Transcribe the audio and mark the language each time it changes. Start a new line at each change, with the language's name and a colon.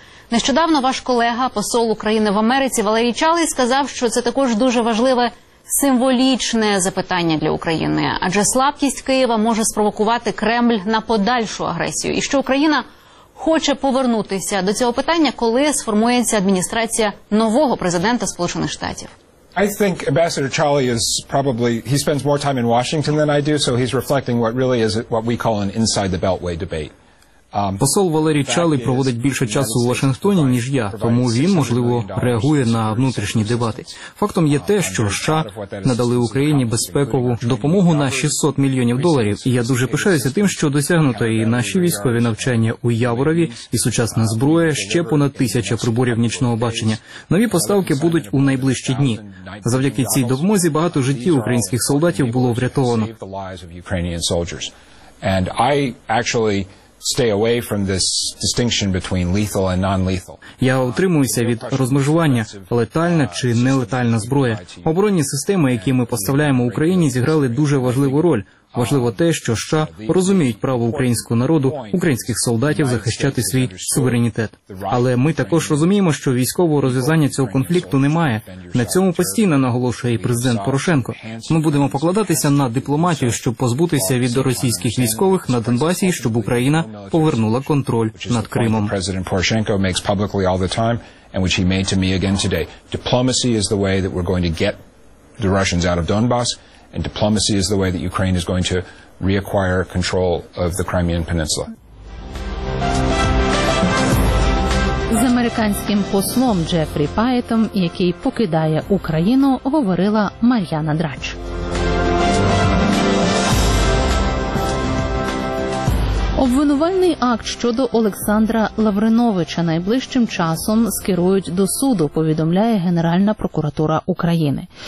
Ukrainian: Нещодавно ваш колега, посол України в Америці Валерій Чалий, сказав, що це також дуже важливе символічне запитання для України, адже слабкість Києва може спровокувати Кремль на подальшу агресію, і що Україна хоче повернутися до цього питання, коли сформується адміністрація нового президента Сполучених Штатів.
English: I think Ambassador Charlie is probably he spends more time in Washington than I do, so he's reflecting what really is what we call an inside the beltway debate.
Ukrainian: Посол Валерій Чалий проводить більше часу у Вашингтоні, ніж я, тому він, можливо, реагує на внутрішні дебати. Фактом є те, що США надали Україні безпекову допомогу на 600 мільйонів доларів, і я дуже пишаюся тим, що досягнуто і наші військові навчання у Яворові, і сучасна зброя, ще понад 1000 приборів нічного бачення. Нові поставки будуть у найближчі дні. Завдяки цій допомозі багато життів українських солдатів було врятовано.
English: Stay away from this distinction between lethal and non-lethal.
Ukrainian: Я утримуюся від розмежування летальна чи нелетальна зброя. Оборонні системи, які ми поставляємо Україні, зіграли дуже важливу роль. Важливо те, що США розуміють право українського народу, українських солдатів захищати свій суверенітет. Але ми також розуміємо, що військового розв'язання цього конфлікту немає. На цьому постійно наголошує і президент Порошенко. Ми будемо покладатися на дипломатію, щоб позбутися від російських військових на Донбасі, щоб Україна повернула контроль над Кримом.
English: Президент Порошенко makes publicly all the time and which he made to me again today. Diplomacy is the way that we're going to get the Russians out of Donbas. And diplomacy is the way that Ukraine is going to reacquire control of the Crimean Peninsula.
Ukrainian: З американським послом Джефрі Пайетом, який покидає Україну, говорила Мар'яна Драч. Обвинувальний акт щодо Олександра Лавриновича найближчим часом скерують до суду, повідомляє Генеральна прокуратура України.